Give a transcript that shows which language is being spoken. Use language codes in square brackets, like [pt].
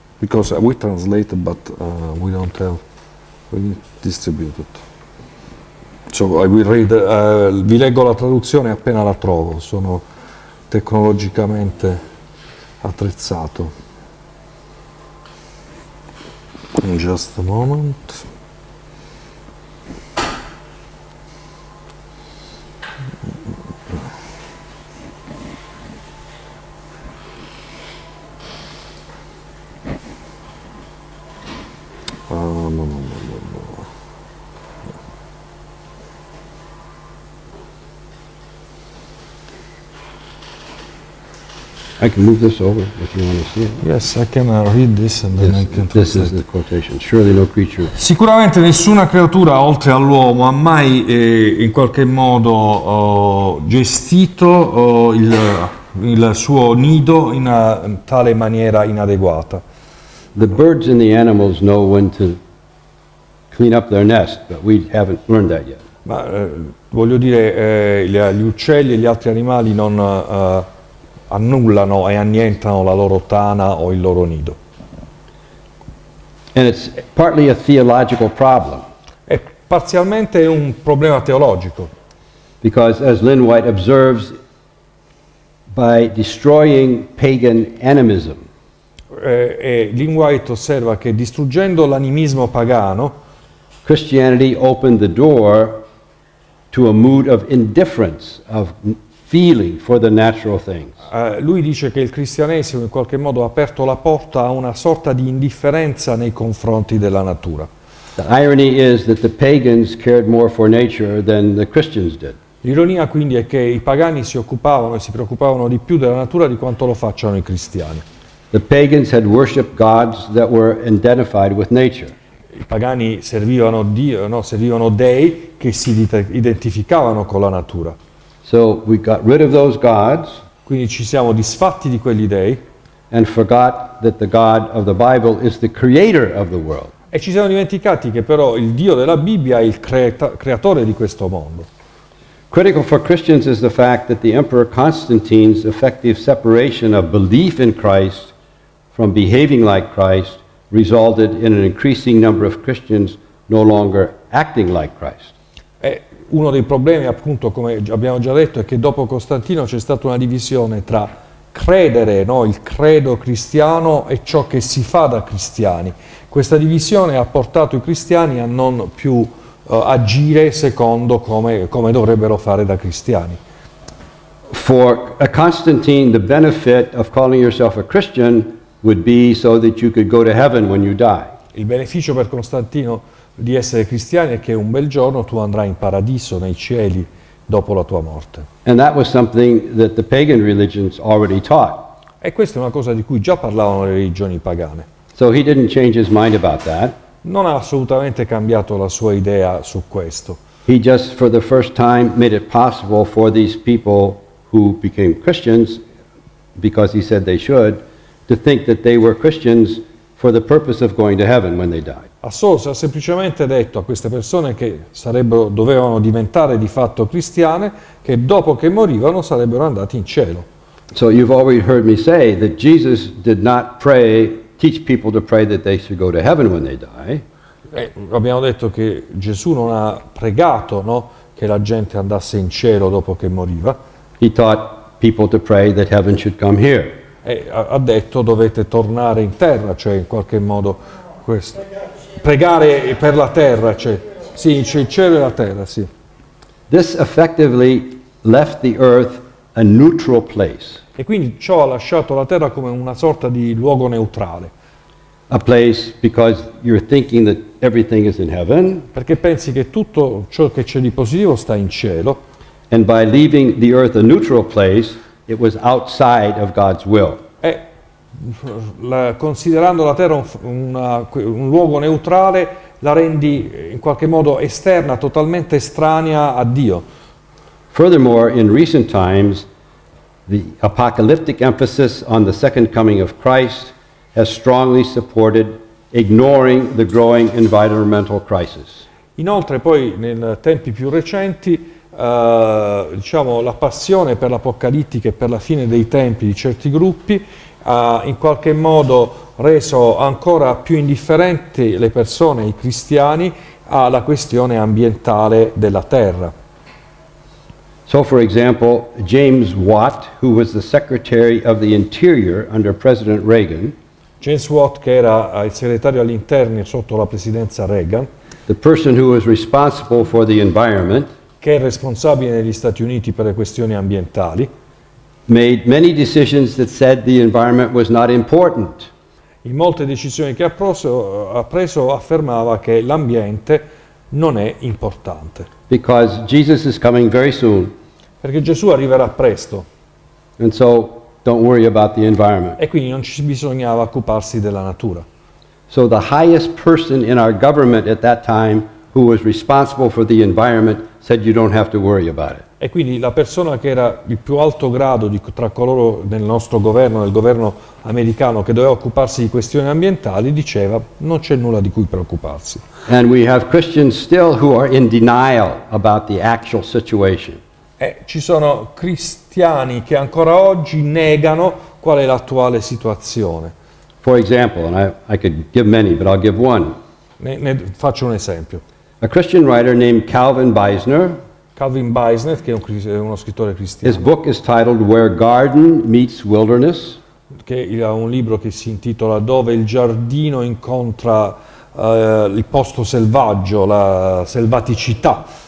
[en] Because we translate, but we don't have, we distribute it. So I will read, [it] vi leggo la traduzione appena la trovo, sono tecnologicamente attrezzato. [en] In just a moment. I can move this over if you want to see it. Yes, I can read this and then this, I can. This is the quotation. Surely no creature. [it] Sicuramente nessuna creatura oltre all'uomo ha mai in qualche modo gestito il suo nido in tale maniera inadeguata. [en] The birds and the animals know when to clean up their nest, but we haven't learned that yet. [it] Ma voglio dire, gli uccelli e gli altri animali non annullano e annientano la loro tana o il loro nido. [en] And it's partly a theological problem. [it] È parzialmente un problema teologico. [en] Because as Lynn White observes, by destroying pagan animism. [it] E Lynn White osserva che distruggendo l'animismo pagano, [en] Christianity opened the door to a mood of indifference, of feeling for the natural things. [it] Lui dice che il cristianesimo in qualche modo ha aperto la porta a una sorta di indifferenza nei confronti della natura. [en] The irony is that the pagans cared more for nature than the Christians did. [it] L'ironia quindi è che i pagani si occupavano e si preoccupavano di più della natura di quanto lo facciano i cristiani. [en] The pagans had worshipped gods that were identified with nature. [it] i pagani servivano Dio, no? Servivano dei che si identificavano con la natura. [en] So we got rid of those gods. [it] Quindi ci siamo disfatti di quegli dei. [en] And forgot that the God of the Bible is the creator of the world. [it] E ci siamo dimenticati che però il Dio della Bibbia è il creatore di questo mondo. [en] Critical for Christians is the fact that the Emperor Constantine's effective separation of belief in Christ from behaving like Christ resulted in an increasing number of Christians no longer acting like Christ. [it] E uno dei problemi, appunto, come abbiamo già detto, è che dopo Costantino c'è stata una divisione tra credere, no, il credo cristiano e ciò che si fa da cristiani. Questa divisione ha portato i cristiani a non più agire secondo come dovrebbero fare da cristiani. [en] For a Constantine, the benefit of calling yourself a Christian would be so that you could go to heaven when you die. [it] Il beneficio per Costantino di essere cristiani è che un bel giorno tu andrai in paradiso, nei cieli, dopo la tua morte. [en] And that was something that the pagan religions already taught. [it] E questa è una cosa di cui già parlavano le religioni pagane. [en] So he didn't change his mind about that. [it] Non ha assolutamente cambiato la sua idea su questo. [en] He just for the first time made it possible for these people who became Christians, because he said they should, to think that they were Christians for the purpose of going to heaven when they died. [it] Ha semplicemente detto a queste persone che sarebbero, dovevano diventare di fatto cristiane, che dopo che morivano sarebbero andati in cielo. [en] So you've already heard me say that Jesus did not pray, teach people to pray that they should go to heaven when they die. [it] Abbiamo detto che Gesù non ha pregato, no, che la gente andasse in cielo dopo che moriva. [en] He taught people to pray that heaven should come here. [it] E ha detto dovete tornare in terra, cioè in qualche modo questo. Pregare per la terra, cioè sì, c'è il cielo e la terra, sì. [en] This effectively left the earth a neutral place. [it] E quindi ciò ha lasciato la terra come una sorta di luogo neutrale. [en] A place because you're thinking that everything is in heaven. [it] Perché pensi che tutto ciò che c'è di positivo sta in cielo. [en] And by leaving the earth a neutral place, it was outside of God's will. [it] E considerando la terra un luogo neutrale, la rendi in qualche modo esterna, totalmente estranea a Dio. [en] Furthermore, in recent times, the apocalyptic emphasis on the second coming of Christ has strongly supported ignoring the growing environmental crisis. [it] Inoltre, poi, nei tempi più recenti, diciamo, la passione per l'apocalittica e per la fine dei tempi di certi gruppi ha in qualche modo reso ancora più indifferenti le persone, i cristiani, alla questione ambientale della terra. [en] So for example, James Watt, who was the Secretary of the Interior under President Reagan, [it] James Watt, che era il segretario all'interno sotto la presidenza Reagan, [en] the person who was responsible for the environment, [it] che è responsabile negli Stati Uniti per le questioni ambientali, [en] made many decisions that said the environment was not important. [it] In molte decisioni che ha preso affermava che l'ambiente non è importante. [en] Because Jesus is coming very soon. [it] Perché Gesù arriverà presto. [en] And so don't worry about the environment. [it] E quindi non ci bisognava occuparsi della natura. [en] So the highest person in our government at that time who was responsible for the environment said you don't have to worry about it. [it] E quindi la persona che era il più alto grado tra coloro nel nostro governo, nel governo americano, che doveva occuparsi di questioni ambientali, diceva non c'è nulla di cui preoccuparsi. [en] And we have Christians still who are in denial about the actual situation. [it] E ci sono cristiani che ancora oggi negano qual è l'attuale situazione. [en] For example, and I could give many, but I'll give one. [it] Ne faccio un esempio. [en] A Christian writer named Calvin Beisner. [it] Calvin Beisner, che è uno scrittore cristiano. [en] His book is titled Where Garden Meets Wilderness. [it] Che ha un libro che si intitola Dove il giardino incontra il posto selvaggio, la selvaticità.